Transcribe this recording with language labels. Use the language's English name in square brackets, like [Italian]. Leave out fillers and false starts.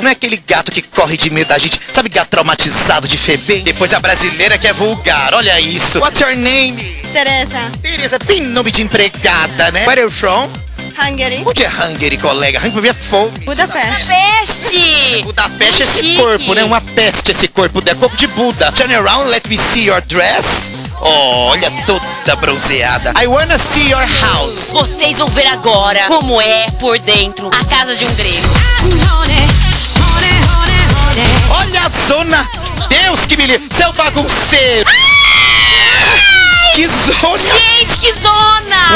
[Portuguese] Não é aquele gato que corre de medo da gente? Sabe, gato traumatizado de Febem? Depois a brasileira que é vulgar, olha isso. [English] What's your name? Teresa. [Portuguese] Teresa, bem nome de empregada, né? [English] Where are you from? Hungary. [Portuguese] Onde é Hungary, colega? Hungary é fome. Budapeste. Budapeste é esse corpo, né? Uma peste esse corpo, né? Corpo de Buda. [English] Turn around, let me see your dress. [Portuguese] Olha, toda bronzeada. [English] I wanna see your house. [Portuguese] Vocês vão ver agora como é por dentro a casa de um grego. Olha a zona. Deus que me livre. Você é um bagunceiro. Ai! Que zona. Gente, que zona.